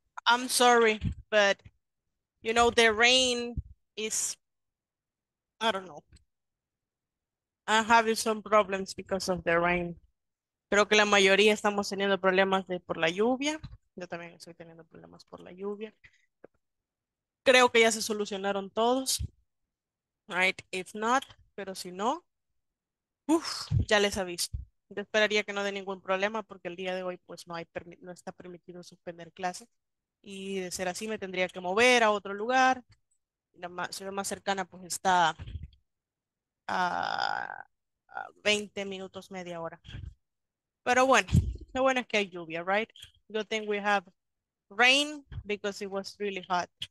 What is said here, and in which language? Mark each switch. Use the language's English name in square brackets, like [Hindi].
[English] I'm sorry, but you know, the rain is, I don't know. I'm having some problems because of the rain. [Spanish] Creo que la mayoría estamos teniendo problemas por la lluvia. Yo también estoy teniendo problemas por la lluvia. Creo que ya se solucionaron todos. [English] Right, if not, [Spanish] pero si no, ya les aviso. Yo esperaría que no dé ningún problema porque el día de hoy pues no está permitido suspender clases y de ser así me tendría que mover a otro lugar. La ciudad más cercana pues está a 20 minutos, media hora. Pero bueno, lo bueno es que hay lluvia, right? [English] Good thing we have rain because it was really hot.